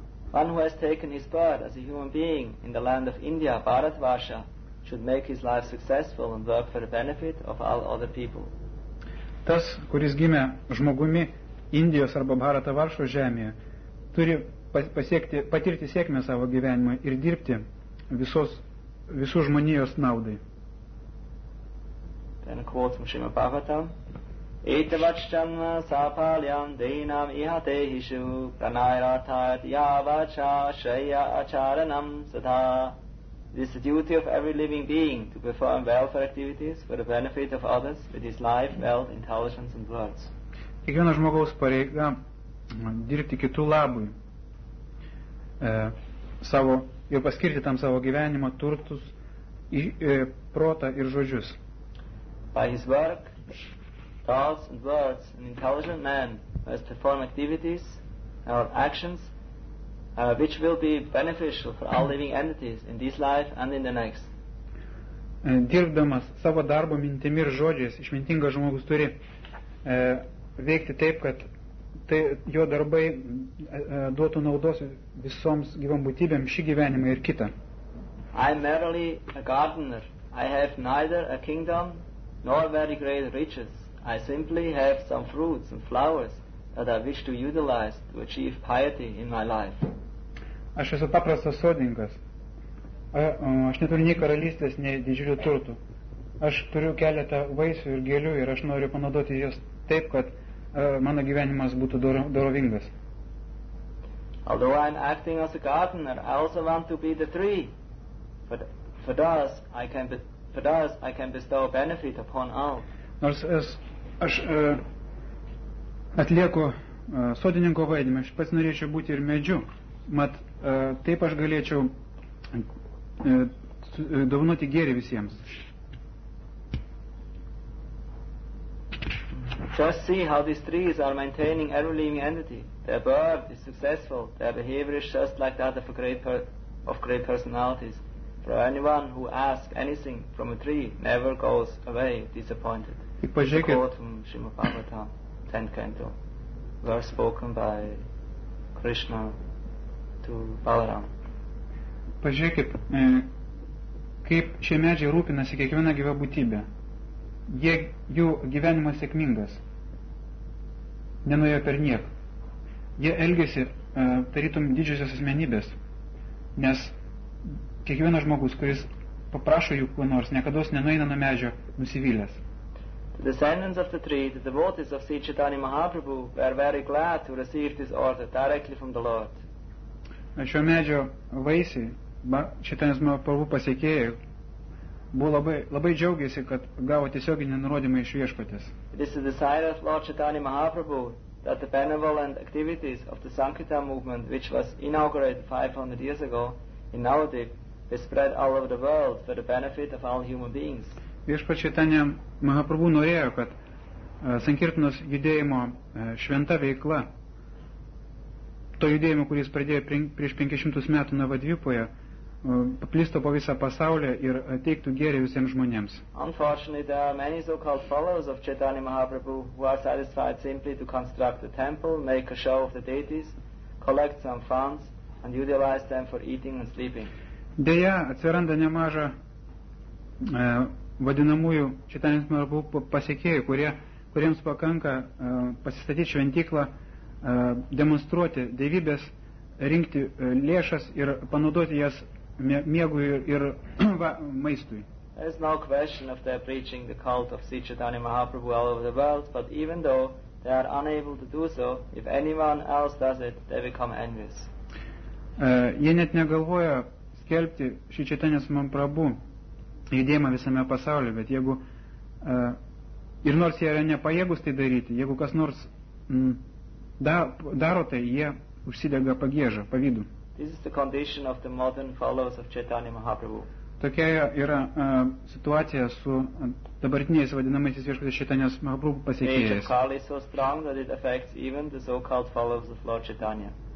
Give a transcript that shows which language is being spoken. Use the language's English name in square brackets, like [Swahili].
[English] One who has taken his birth as a human being in the land of India, Bharatvasha, should make his life successful and work for the benefit of all other people. [Lithuanian] Tas, kuris gimė žmogumi Indijos arba Bharatvasho žemėje, turi patirti sėkmę savo gyvenimą ir dirbti visų žmonijos naudai. [English] Then a quote from Srimad Bhagavatam. [Sanskrit] Etavacchan sapalyam deinam ihate hishu pranayarathayat yavacha shaya acharanam sadha. [English] It is the duty of every living being to perform welfare activities for the benefit of others with his life, wealth, intelligence and words. [Lithuanian] Kiekvienas žmogaus pareiga dirbti kitų labui savo ir paskirti tam savo gyvenimą, turtus, protą ir žodžius. [English] By his work, thoughts and words, an intelligent man who has to perform activities or actions which will be beneficial for all living entities in this life and in the next. [Lithuanian] Dirbdamas savo darbo mintimi ir žodžiais, išmintingas žmogus turi veikti taip, kad tai jo darbai duotų naudos visoms gyvom būtybėm šį gyvenimą ir kitą. [English] I am merely a gardener. I have neither a kingdom nor very great riches. I simply have some fruits and flowers that I wish to utilize to achieve piety in my life. [Lithuanian] Aš esu paprastas sodininkas. Aš neturiu nei karalystės, nei didžiulių turtų. aš turiu keletą vaisių ir gėlių ir aš noriu panaudoti jas taip, kad mano gyvenimas būtų dorovingas. [English] Although I'm acting as a gardener, I also want to be the tree. For thus I can bestow benefit upon all. Nors aš atlieku sodininko vaidmenį, aš pats norėčiau būti ir medžiu, mat taip aš galėčiau dovanoti gėrį visiems. Just see how these trees are maintaining every living entity. Their birth is successful. Their behavior is just like that of great personalities. For anyone who asks anything from a tree never goes away disappointed. Quote from Srimad Bhagavatam, 10th canto, verse spoken by Krishna to Balaram. [Lithuanian] Pažiūrėkit, kaip šie medžiai rūpinasi kiekvieną gyvą būtybę. Jų gyvenimas sėkmingas. Nenuėjo per niek. Jie elgiasi tarytum didžiosios asmenybės, nes kiekvienas žmogus, kuris paprašo jų kuo nors, niekados nenueina nuo medžio nusivylęs. [English] The descendants of the tree, the devotees of Sri Chaitanya Mahaprabhu, were very glad to receive this order directly from the Lord. [Lithuanian] Šio medžio vaisiai, Chaitanya Mahaprabhu pasiekėjai, buvo labai džiaugiasi, kad gavo tiesioginį nurodymą iš viešpatės. [English] It is the desire of Lord Chaitanya Mahaprabhu that the benevolent activities of the Sankirtan movement, which was inaugurated 500 years ago in Navadvip, be spread all over the world for the benefit of all human beings. [Lithuanian] Viešpats Chaitanya Mahaprabhu norėjo, kad Sankirtanos judėjimo šventa veikla, to judėjimo, kuris pradėjo prieš 500 metų Navadvipoje, paplisto po visą pasaulį ir teiktų gėrį visiems žmonėms. [English] Unfortunately, there are many so-called followers of Chaitanya Mahaprabhu who are satisfied simply to construct a temple, make a show of the deities, collect some funds and utilize them for eating and sleeping. [Lithuanian] Deja, atsiranda nemaža vadinamųjų Chaitanya Mahaprabhu pasiekėjų, kuriems pakanka pasistatyti šventyklą, demonstruoti dievybės, rinkti lėšas ir panaudoti jas miegui ir maistui. [English] There is no question of their preaching the cult of Sri Chaitanya Mahaprabhu all over the world, but even though they are unable to do so, if anyone else does it, they become envious. [Lithuanian] Jie net negalvoja skelbti Sri Chaitanya Mahaprabhu judėjimą visame pasaulyje, bet jeigu ir nors jie yra nepajėgus tai daryti, jeigu kas nors daro tai, jie užsidega pagiežą, pavydų. [English] This is the condition of the modern followers of Chaitanya Mahaprabhu. [Lithuanian] Tokia yra situacija su dabartiniais vadinamaisiais viešpaties Chaitanyos Mahaprabhu pasiekėjais. [English] The age of Kali is so strong that it affects even the so-called followers of Lord Chaitanya.